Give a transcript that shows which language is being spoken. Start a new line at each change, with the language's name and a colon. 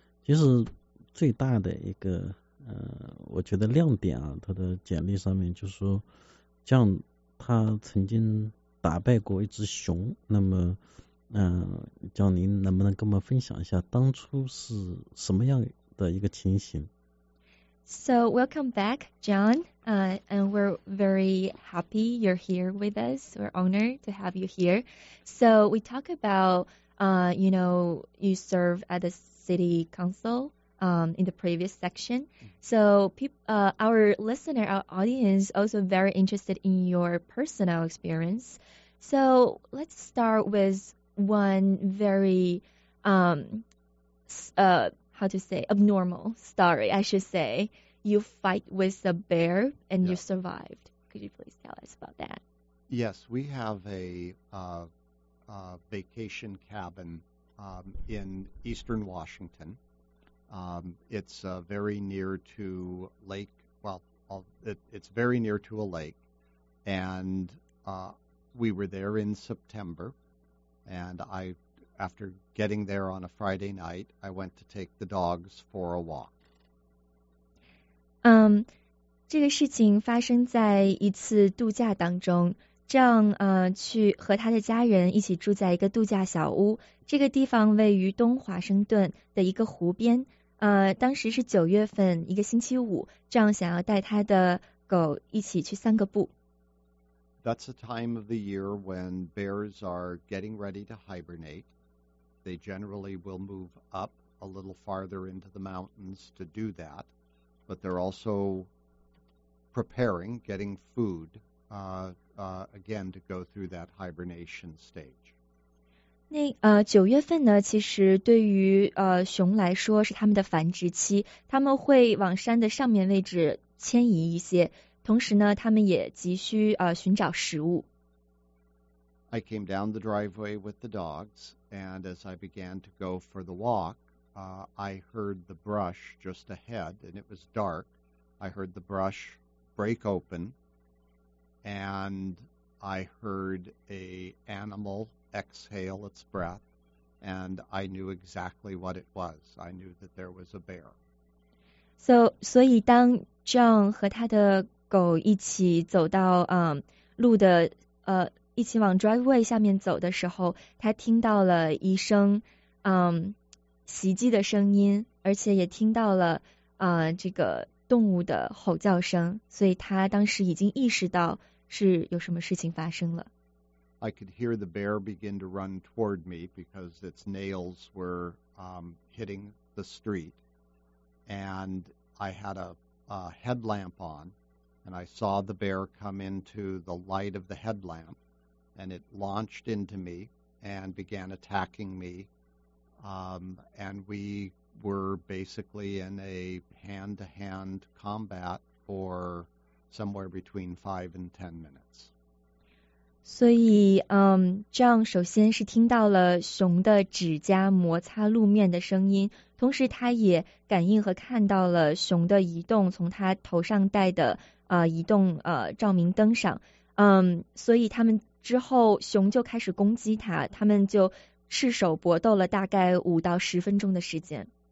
Chinese: 其实最大的一个我觉得亮点啊，他的简历上面就是说江他曾经打败过一只熊。那么江您能不能跟我们分享一下当初是什么样的一个情形？
English: So welcome back, John. And we're very happy you're here with us. We're honored to have you here. So we talk about, you know, you serve at the city council, in the previous section. So our listener, our audience also very interested in your personal experience. So let's start with one very, abnormal story, I should say. You fight with a bear and you survived. Could you please tell us about that? Yes, we have a vacation cabin in eastern Washington. It's very near to lake. It's very near to a lake. And we were there in September. And after getting there on a Friday night, I went to take the dogs for a walk.
Chinese: 这个事情发生在一次度假当中。正去和他的家人一起住在一个度假小屋。这个地方位于东华盛顿的一个湖边。当时是9月份，一个星期五。正想要带他的狗一起去散个步。
English: That's the time of the year when bears are getting ready to hibernate. They generally will move up a little farther into the mountains to do that. But they're also preparing, getting food, again, to go through that hibernation stage.
Chinese: 那九月份呢，其实对于熊来说是他们的繁殖期，他们会往山的上面位置迁移一些，同时呢，他们也急需寻找食物。
English: I came down the driveway with the dogs, and as I began to go for the walk,I heard the brush just ahead, and it was dark. I heard the brush break open, and I heard an animal exhale its breath, and I knew exactly what it was. I knew that there was a bear.
Chinese: So 当 John 和他的狗一起走到路的一起往 driveway 下面走的时候，他听到了一声袭击的声音，而且也听到了这个动物的吼叫声，所以他当时已经意识到是有什么事情发生了。
English: I could hear the bear begin to run toward me because its nails were hitting the street, and I had a headlamp on, and I saw the bear come into the light of the headlamp, and it launched into me and began attacking me. And we were basically in a hand-to-hand combat for somewhere between 5 and 10 minutes.
Chinese: 所以，John首先是听到了熊的指甲摩擦路面的声音，同时他也感应和看到了熊的移动，从他头上戴的移动照明灯上。所以他们之后熊就开始攻击他，他们就赤手搏斗了大概5到10分钟的时间。